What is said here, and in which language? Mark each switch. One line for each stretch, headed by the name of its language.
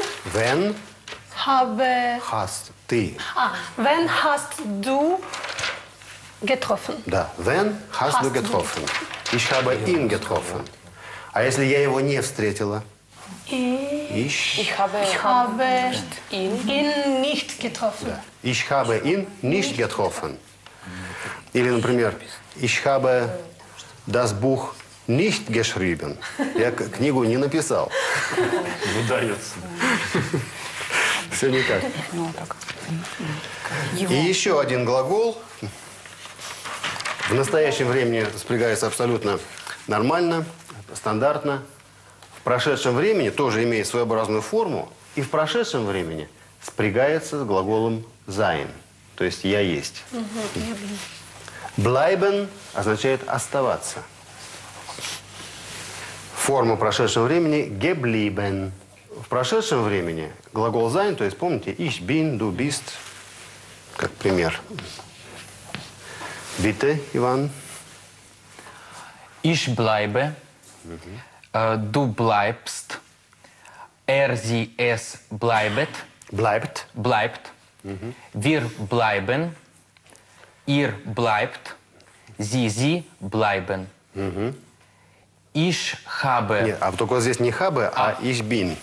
German: Wenn... Habe... Hast...
Russian: Ты.
German: Wenn hast du getroffen.
Russian: Да.
German: Wenn hast du getroffen. Ich habe ihn getroffen.
Russian: А если я его не встретила?
German: Ich habe ihn nicht getroffen.
Russian: Да.
German: Ich habe ihn nicht getroffen.
Russian: Или, например,
German: ich habe das Buch nicht geschrieben.
Russian: Я книгу не написал. Выдается. Все никак. И еще один глагол. В настоящем времени спрягается абсолютно нормально, стандартно. В прошедшем времени тоже имеет своеобразную форму. И в прошедшем времени спрягается с глаголом sein. То есть я есть. Bleiben означает оставаться. Форма прошедшего времени geblieben. В прошедшем времени глагол sein, то есть помните,
German: ich bin, du bist,
Russian: как пример.
German: Bitte, Иван. Ich bleibe, du bleibst, sie, es bleibet. Bleibt. Bleibt. Wir bleiben, ihr bleibt, sie bleiben. Ich habe.
Russian: Нет, а только здесь не habe, а
German: ich bin.